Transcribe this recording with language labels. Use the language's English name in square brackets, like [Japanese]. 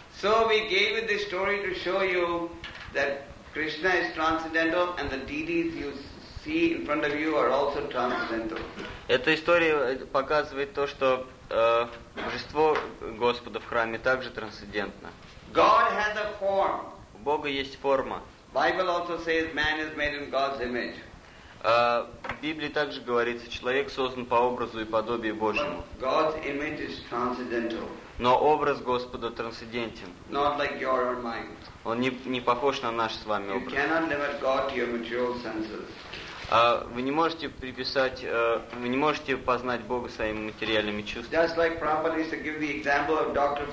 [English] So we gave you this story to show you that Krishna is transcendental and the deities you see in front of you are also transcendental. [Russian] Эта история показывает то, что божество Господа в храме также трансцендентно. [English] God has a form. [Russian] У Бога есть форма. [English] Bible also says man is made in God's image. [Russian] В Библии также говорится, человек создан по образу и подобию Божьему. [English] God's image is transcendental. [Russian] Но образ Господа трансцендентен. [English] Not like your or mine. [Russian] Он не похож на наш с вами образ. [English] You cannot limit God to your material senses. [Russian] Вы не можете познать Бога своими материальными чувствами. [English] Just like Prabhupada used to give the example of Dr.